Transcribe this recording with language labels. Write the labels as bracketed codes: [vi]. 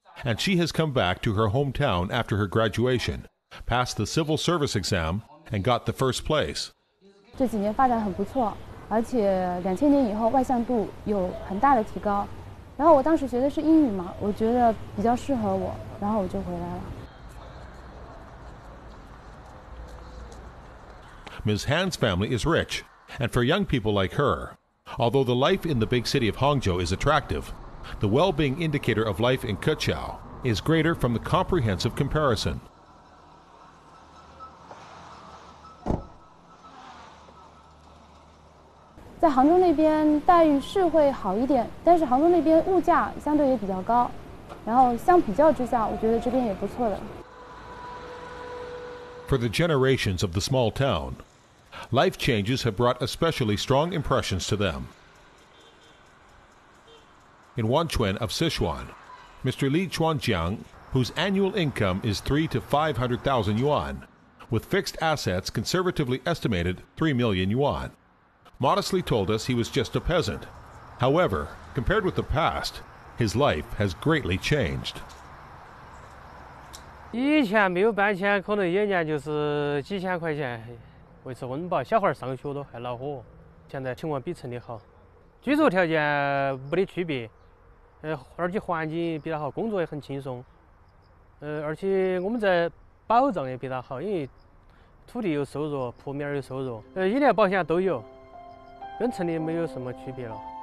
[en] And she has come back to her hometown after her graduation, passed the civil service exam, and got the first place. [zh] 这几年发展很不错，而且2000年以后外向度有很大的提高。然后我当时学的是英语嘛，我觉得比较适合我，然后我就回来了。 [en] Ms. Han's family is rich, and for young people like her, although the life in the big city of Hangzhou is attractive. The well-being indicator of life in Keqiao is greater from the comprehensive comparison. In Hangzhou, the salary would be better, but in Hangzhou, the price is relatively high. So, in comparison, I think it's also good here. For the generations of the small town, life changes have brought especially strong impressions to them. In Wanchuan of Sichuan, Mr. Li Chuanjiang, whose annual income is 300,000 to 500,000 yuan, with fixed assets conservatively estimated 3 million yuan, modestly told us he was just a peasant. However, compared with the past, his life has greatly changed. [zh] 以前没有搬迁，可能一年就是几千块钱，维持温饱，小孩上学都还恼火。现在情况比城里好，居住条件没得区别。而且环境比较好，工作也很轻松。而且我们在保障也比较好，因为土地有收入，铺面有收入，医疗保险都有，跟城里没有什么区别了。